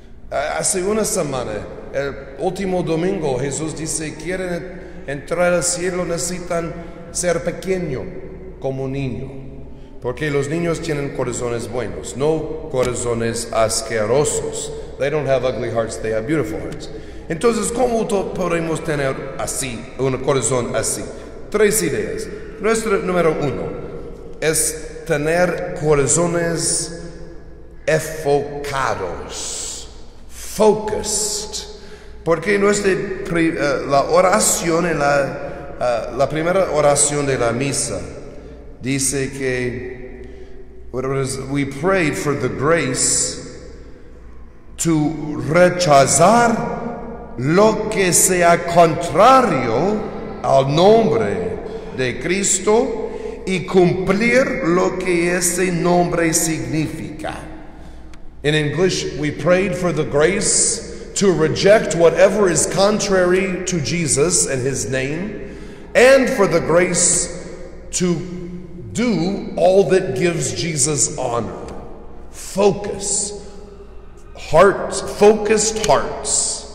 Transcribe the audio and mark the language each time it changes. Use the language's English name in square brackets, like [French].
[Spanish] Hace una semana, el último domingo, Jesús dice, quieren entrar al cielo, necesitan ser pequeño como niño. Porque los niños tienen corazones buenos, no corazones asquerosos. [English] They don't have ugly hearts, they have beautiful hearts. [Spanish] Entonces, ¿cómo podemos tener así, un corazón así? Tres ideas. Nuestro número uno es tener corazones enfocados, focused. Porque nuestra la oración, en la primera oración de la misa, dice que [English] we pray for the grace to [Spanish] rechazar lo que sea contrario al nombre de Cristo y cumplir lo que ese nombre significa. [English] In English, we prayed for the grace to reject whatever is contrary to Jesus and his name, and for the grace to do all that gives Jesus honor. Focus. Hearts, focused hearts.